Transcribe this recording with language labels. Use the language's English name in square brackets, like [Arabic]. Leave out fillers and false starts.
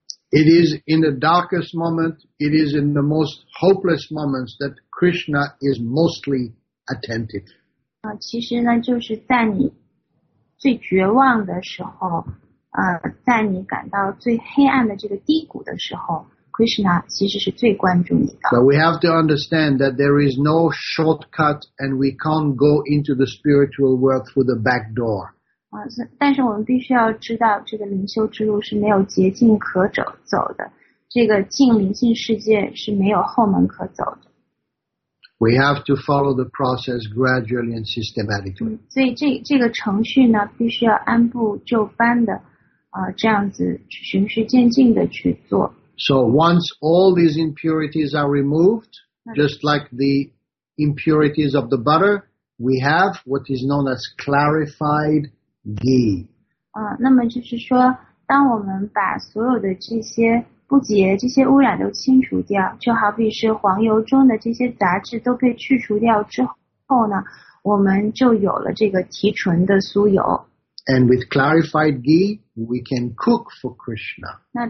[English] It is in the darkest moment, it is in the most hopeless moments that Krishna is mostly attentive. [Chinese] 其实呢，就是在你最绝望的时候，在你感到最黑暗的这个低谷的时候， Krishna 其实是最关注你的。 [English] But we have to understand that there is no shortcut, and we can't go into the spiritual world through the back door. [Chinese] 但是我们必须要知道这个灵修之路是没有捷径可走的，这个进灵性世界是没有后门可走的。 [English] We have to follow the process gradually and systematically. [Chinese] 所以这个程序呢, 必须要按部就班的, 这样子循序渐进的去做。 [English] So once all these impurities are removed, just like the impurities of the butter, we have what is known as clarified ghee. [Chinese] 那么就是说, 当我们把所有的这些 不洁这些污染都清除掉，就好比是黄油中的这些杂质都被去除掉之后呢，我们就有了这个提纯的酥油。 [English] And with clarified ghee, we can cook for Krishna.